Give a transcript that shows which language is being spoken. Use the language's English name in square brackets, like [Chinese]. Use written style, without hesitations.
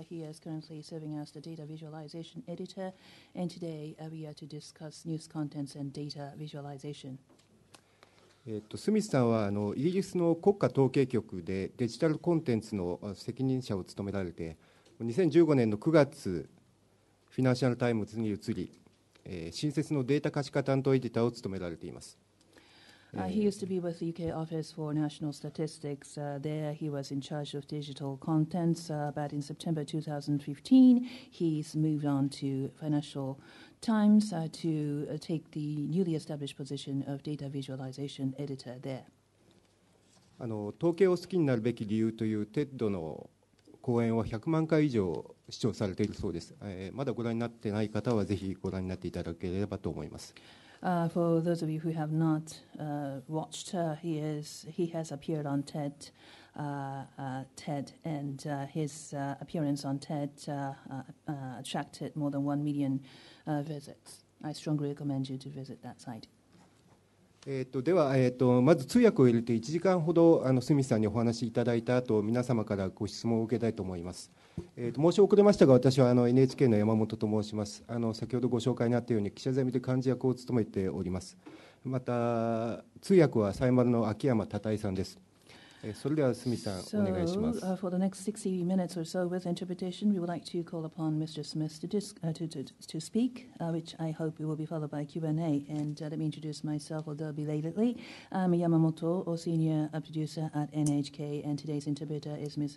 [English] He is currently serving as the Data Visualization Editor, and today we are to discuss news contents and data visualization. [Japanese] スミスさんはイギリスの国家統計局でデジタルコンテンツの責任者を務められて、2015年の9月、フィナンシャルタイムズに移り、新設のデータ可視化担当エディターを務められています。 [English] He used to be with the UK Office for National Statistics. There he was in charge of digital contents. But in September 2015, he's moved on to Financial Times to take the newly established position of Data Visualization Editor there. [Japanese] 統計を好きになるべき理由というTEDの講演は100万回以上視聴されているそうです。まだご覧になっていない方はぜひご覧になっていただければと思います。 [English] For those of you who have not watched, he has appeared on TED, and his appearance on TED attracted more than 1 million visits. I strongly recommend you to visit that site. [Japanese] では、まず通訳を入れて1時間ほどスミスさんにお話しいただいた後、皆様からご質問を受けたいと思います。申し遅れましたが、私はNHK の山本と申します。先ほどご紹介にあったように記者ゼミで幹事役を務めております。また通訳はサイマルの秋山多太さんです。それではスミスさん、お願いします。 [English] For the next 60 minutes or so with interpretation, we would like to call upon Mr. Smith to speak, which I hope will be followed by Q&A. And let me introduce myself, although belatedly. I'm Yamamoto, or senior producer at NHK, and today's interpreter is Ms.